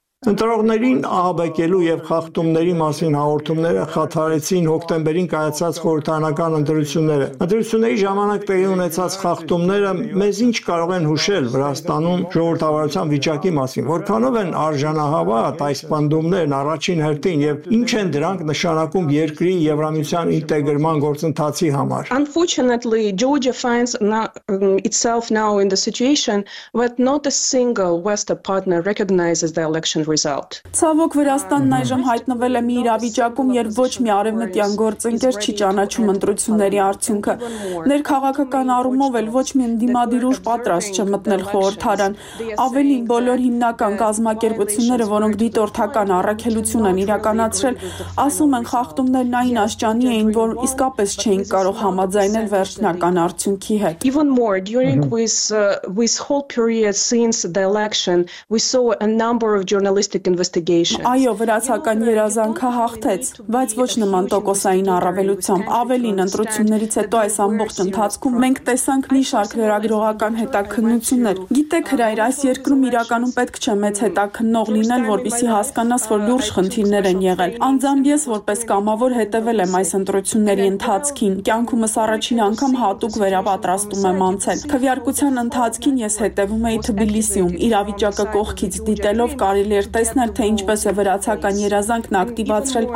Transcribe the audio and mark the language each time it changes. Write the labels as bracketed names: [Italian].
[Armenian] Ընտրողներին ահաբեկելու և խախտումների մասին հաղորդումները խաթարեցին հոկտեմբերին կայացած խորհրդարանական ընտրությունները։ Ընտրությունների ժամանակ տեղի ունեցած խախտումները մեզ ինչ կարող են հուշել Վրաստանում ժողովրդավարության վիճակի մասին, որքանով են արժանահավատ այս պնդումներն առաջին հերթին և ինչ են դրանք նշանակում երկրի Եվրամիության ինտեգրման գործընթացի համար։ [English] Unfortunately, Georgia finds itself now in the situation that not a single Western partner recognizes the election. [Armenian] Ցավոք, Վրաստանն այժմ հայտնվել է մի իրավիճակում, երբ ոչ մի արևմտյան գործընկեր չի ճանաչում ընտրությունների արդյունքը։ Ներքաղաքական առումով էլ ոչ մի ընդդիմադիր ուժ պատրաստ չէ մտնել խորհրդարան։ Ավելին, բոլոր հիմնական կազմակերպությունները, որոնք դիտորդական առաքելություն են իրականացրել, ասում են, խախտումներն այն աստիճանի էին, որ իսկապես չէին կարող համաձայնել վերջնական արդյունքի հետ։ [English] Even more, during with whole period since the election, we saw a number of journalistic investigation. [Armenian] Այո, վրացական երազանքը հաղթեց, բայց ոչ նման տոկոսային առավելությամբ։ Ավելին, ընտրություններից հետո այս ամբողջ ընթացքում մենք տեսանք մի շարք լրագրողական հետաքննություններ։ Գիտեք, հրայր, այս երկրում իրականում պետք չէ մեծ հետաքննող լինել, որպեսզի հասկանաս, որ լուրջ խնդիրներ են եղել։ Անձամբ ես որպես կամավոր հետևել եմ այս ընտրությունների ընթացքին, կյանքումս առաջին անգամ հատուկ վերապատրաստում եմ անցել։ Քվեարկության ընթացքին ես հետևում էի Թբիլիսիում, իրավիճակը կողքից դիտելով կարելի էր տեսնել, թե ինչպես է վրացական երազանքն ակտիվացրել